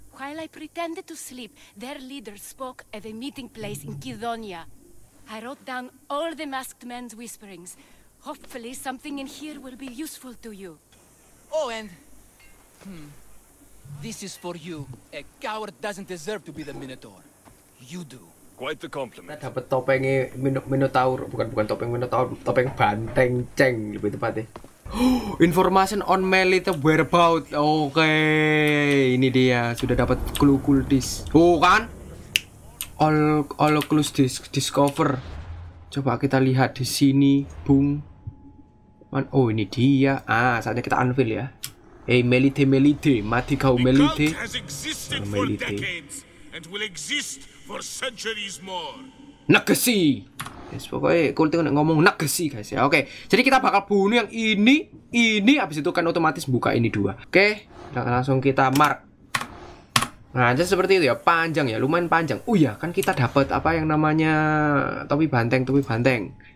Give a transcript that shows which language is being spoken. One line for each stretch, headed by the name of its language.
English: While I pretended to sleep, their leader spoke at a meeting place in Kidonia. I wrote down all the masked men's whisperings. Hopefully something in here will be useful to you. Oh, and... This is for you. A coward doesn't deserve to be the Minotaur. You do. Quite the compliment.
Indonesian: Kita dapat topengnya Minotaur. Bukan topeng Minotaur. Topeng banteng ceng, lebih tepatnya.
English: Information on Melita whereabout.
Indonesian: Okay, ini dia sudah dapat clue kultis.
English: Oh kan? All clues discover.
Indonesian: Coba kita lihat di sini, Bung. Man, oh ini dia. Ah, saatnya kita unveil ya. Hey Melita, Melita, mati kau Melita.
English: The cult has existed for decades and will exist for centuries more.
Indonesian: Nakasi. Yes, pokoknya kulti udah ngomong nakasi guys ya. Oke, jadi kita bakal bunuh yang ini, abis itu kan otomatis buka ini dua. Oke, langsung kita mark. Nah, jadi seperti itu ya, panjang ya, lumayan panjang. Oh iya, kan kita dapat apa yang namanya topi banteng.